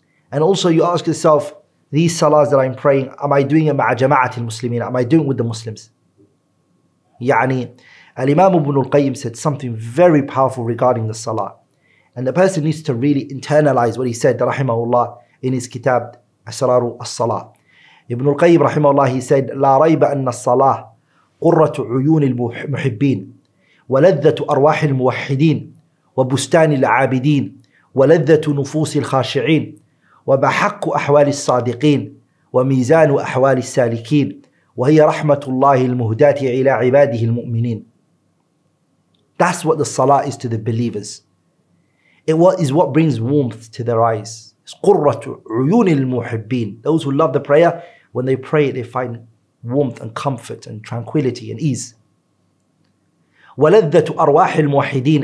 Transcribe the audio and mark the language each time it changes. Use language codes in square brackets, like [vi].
[en] And also you ask yourself, these salahs that I'm praying, am I doing it [ar] مع جماعة المسلمين? [en] Am I doing it with the Muslims? يعني, Al-Imam Ibn Al-Qayyim said something very powerful regarding the salah. And the person needs to really internalize what he said, rahimahullah, in his kitab, Asraru As-Salah. [ar] Ibn Al-Qayyim, rahimahullah, [en] he said, [ar] لا ريب أن الصلاة قرة عيون المحبين ولذة أرواح الموحدين وبستان العابدين ولذة نفوس الخاشعين وبحق أحوال الصادقين وميزان أحوال السالكين وهي رحمة الله المهداة إلى عباده المؤمنين. [en] That's what the salah is to the believers. It is what brings warmth to their eyes. [ar] It's قرة عيون المحبين. [en] Those who love the prayer, when they pray, they find warmth and comfort and tranquility and ease. [ar] ولذة أرواح الموحدين.